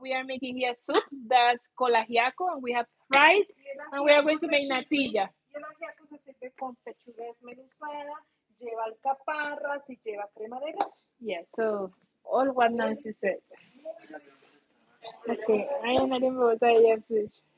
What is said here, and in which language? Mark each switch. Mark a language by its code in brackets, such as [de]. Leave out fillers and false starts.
[en] We are making here soup that's called ajiaco, and we have rice, and we are going to make natilla. [es] Y el ajiaco se sirve con pechuga desmenuzada, lleva alcaparras y lleva crema de leche. [en] Yes, so all what Nancy said. Okay, I am not in Bogotá, yes, which.